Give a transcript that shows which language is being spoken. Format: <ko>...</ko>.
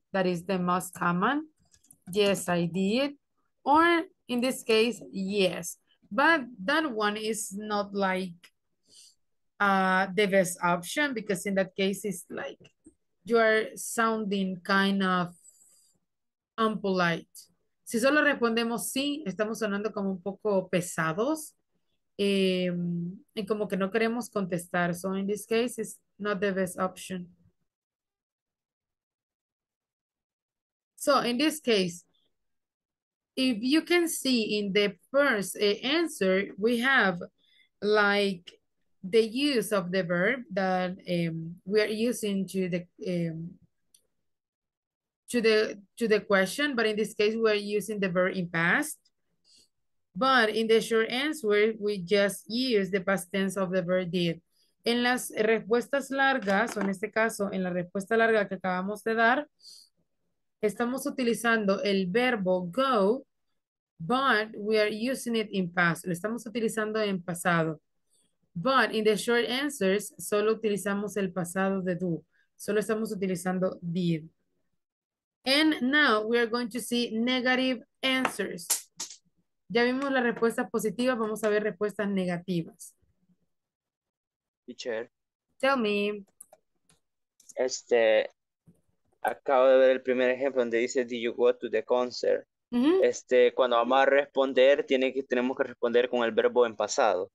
<en>That is the most common. Yes, I did. Or in this case, yes. But that one is not like the best option, because in that case, it's like you are sounding kind of impolite.</en> <es>Si solo respondemos sí, estamos sonando como un poco pesados. Y como que no queremos contestar.</es> <en>So in this case, it's not the best option. So in this case, if you can see in the first answer, we have like the use of the verb that we are using to the question, but in this case, we're using the verb in past. But in the short answer, we just use the past tense of the verb did.</en> <es>En las respuestas largas, o en este caso, en la respuesta larga que acabamos de dar, estamos utilizando el verbo go,</es> <en>but we are using it in past.</en> <es>Lo estamos utilizando en pasado.</es> <en>But in the short answers,</en> <es>solo utilizamos el pasado de do. Solo estamos utilizando did.</es> <en>And now we are going to see negative answers.</en> <es>Ya vimos las respuestas positivas, vamos a ver respuestas negativas.</es> <en>Teacher. Tell me.</en> <es>Acabo de ver el primer ejemplo donde dice,</es> <en>did you go to the concert?</en> <es>Uh-huh. Cuando vamos a responder, tenemos que responder con el verbo en pasado.</es>